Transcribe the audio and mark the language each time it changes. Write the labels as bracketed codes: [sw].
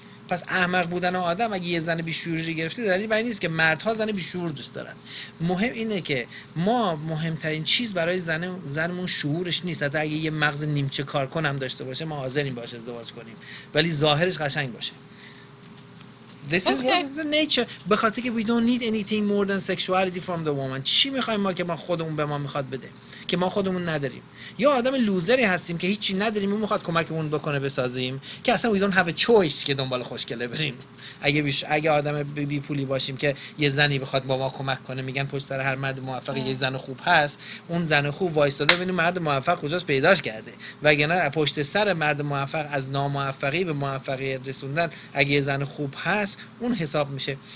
[fa] پس احمق بودن آدم اگه یه زن بیشوری رو گرفته دلیل بر این نیست که مردها زن بیشور دوست دارن. مهم اینه که ما مهمترین چیز برای زنمون شعورش نیست. حتی اگه یه مغز نیمچه کار کنم داشته باشه ما حاضریم باشه ازدواج کنیم، ولی ظاهرش قشنگ باشه. [en] This is okay. The nature. [fa] به خاطر که [en] we don't need anything more than sexuality from the woman. [fa] چی میخوایم ما که ما خودمون به ما میخواد بده که ما خودمون نداریم؟ یا آدم لوزری هستیم که هیچی نداریم، اون میخواد کمکمون بکنه بسازیم، که اصلا [en] we don't have a choice [fa] که دنبال خوشگله بریم. اگه آدم بی پولی باشیم که یه زنی بخواد با ما کمک کنه، میگن پشت سر هر مرد موفق یه زن خوب هست، اون زن خوب وایساده ببینیم مرد موفق کجاست پیداش کرده، وگرنه پشت سر مرد موفق از ناموفقی به موفقیت رسوندن اگه یه زن خوب هست اون حساب میشه.